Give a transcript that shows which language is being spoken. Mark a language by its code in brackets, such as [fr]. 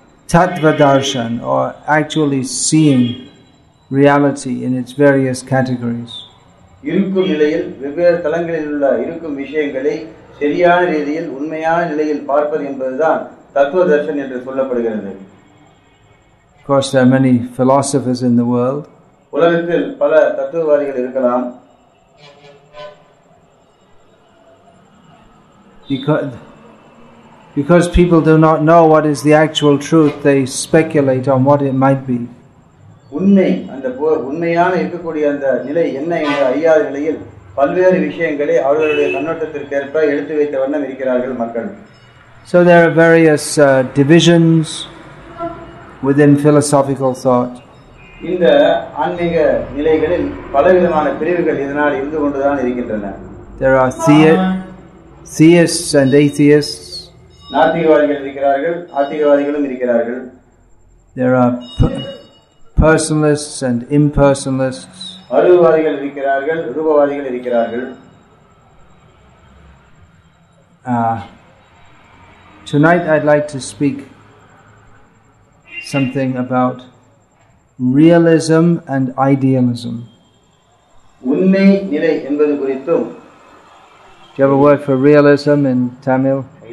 [en] tattva darshan, or actually seeing reality in its various categories. [ta] இருக்கும் நிலையில் வெவ்வேறு தளங்களில் உள்ள இருக்கும் விஷயங்களை சரியான ரீதியில் உண்மையான நிலையில் பார்ப்பது என்பதுதான் தத்துவ தர்ஷன் என்று சொல்லப்படுகிறது. [en] Of course, there are many philosophers in the world. [ta] உலகத்தில் பல தத்துவவாதிகள் இருக்கலாம். [en] Because people do not know what is the actual truth, they speculate on what it might be. [ta] உண்மை அந்த உண்மையான இருக்கக்கூடிய அந்த நிலை என்ன என்று அறியாத நிலையில் பல்வேறு விஷயங்களை அவர்களுடைய கண்ணோட்டத்திற்கேற்ப எடுத்து வைத்த வண்ணம் இருக்கிறார்கள் மக்கள். [en] So there are various divisions within philosophical thought. [ta] இந்த ஆன்மீக நிலைகளில் பலவிதமான பிரிவுகள் இதனால் இருந்து கொண்டுதான் இருக்கின்றன. [en] There are theists and atheists. [ta] நாத்திகவாதிகள் இருக்கிறார்கள், ஆத்திகவாதிகளும் இருக்கிறார்கள். [en] There are personalists and impersonalists. [ta] அருவவாதிகள் இருக்கிறார்கள், ரூபவாதிகள் இருக்கிறார்கள். [en] Tonight I'd like to speak something about realism and idealism. [ta] உண்மை நிலை என்பது குறித்தும். [en] Do you have a word for realism in Tamil?